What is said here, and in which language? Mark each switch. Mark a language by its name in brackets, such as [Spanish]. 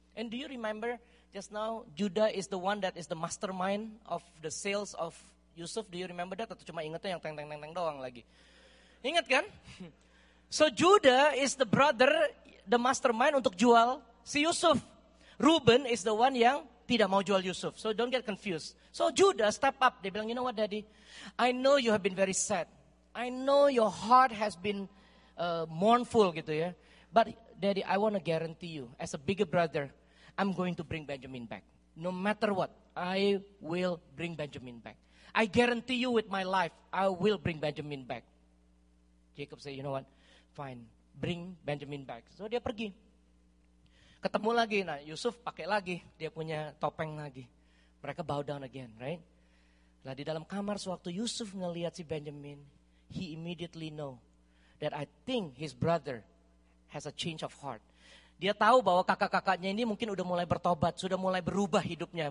[English] And do you remember just now, Judah is the one that is the mastermind of the sales of Yusuf. Do you remember that? [Indonesian] Atau cuma ingetnya yang teng-teng-teng doang lagi? Ingat kan? [English] So Judah is the brother, the mastermind [Indonesian] untuk jual si Yusuf. [English] Reuben is the one [Indonesian] yang tidak mau jual Yusuf. [English] So don't get confused. So Judah step up. [Indonesian] Dia bilang, [English] you know what daddy? I know you have been very sad. I know your heart has been mournful [Indonesian] gitu ya. [English] But daddy, I want to guarantee you, as a bigger brother, I'm going to bring Benjamin back. No matter what, I will bring Benjamin back. I guarantee you with my life, I will bring Benjamin back. Jacob say, you know what? Fine, bring Benjamin back. So [Indonesian] dia pergi. Ketemu lagi, nah Yusuf pakai lagi, dia punya topeng lagi. [English] Mereka bow down again, right? [Indonesian] Nah di dalam kamar sewaktu Yusuf ngelihat si Benjamin, [English] he immediately know that I think his brother has a change of heart. [Indonesian] Dia tahu bahwa kakak-kakaknya ini mungkin udah mulai bertobat, sudah mulai berubah hidupnya.